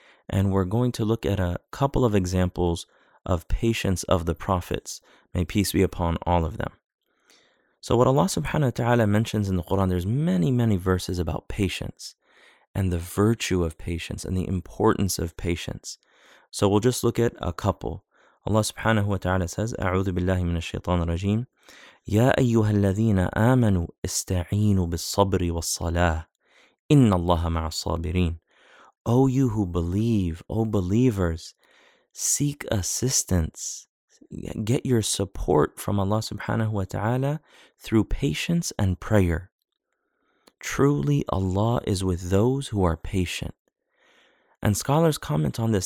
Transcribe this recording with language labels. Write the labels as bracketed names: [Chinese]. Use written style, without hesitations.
[English] And we're going to look at a couple of examples of patience of the prophets. May peace be upon all of them. So what Allah subhanahu wa ta'ala mentions in the Qur'an, there's many, many verses about patience and the virtue of patience and the importance of patience. So we'll just look at a couple. Allah subhanahu wa ta'ala says, [Arabic] أَعُوذُ بِاللَّهِ مِنَ الشَّيْطَانِ الرَّجِيمِ يَا أَيُّهَا الَّذِينَ آمَنُوا اسْتَعِينُوا بِالصَّبْرِ وَالصَّلَاةِ إِنَّ اللَّهَ مَعَ الصَّابِرِينَ. [English] O you who believe, O believers, seek assistance. Get your support from Allah subhanahu wa ta'ala through patience and prayer. Truly, Allah is with those who are patient. And scholars comment on this.